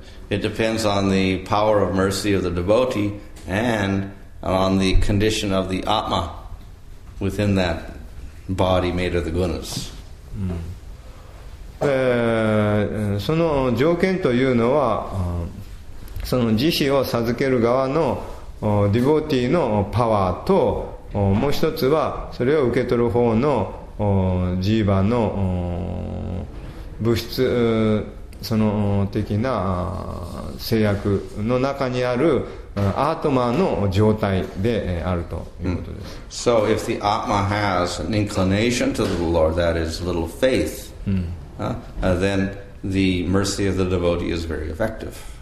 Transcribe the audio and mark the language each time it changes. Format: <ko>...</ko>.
<en>It depends on the power of mercy of the devotee and on the condition of the atma within that body made of the gunas.</en> <ja>その条件というのはその慈悲を授ける側のディボーティーのパワーと、もう一つはそれを受け取る方のジーバの物質その的な制約の中にあるアートマの状態であるということです。 Mm.</ja> <en>So if the Atma has an inclination to the Lord, that is little faith, then the mercy of the devotee is very effective.</en>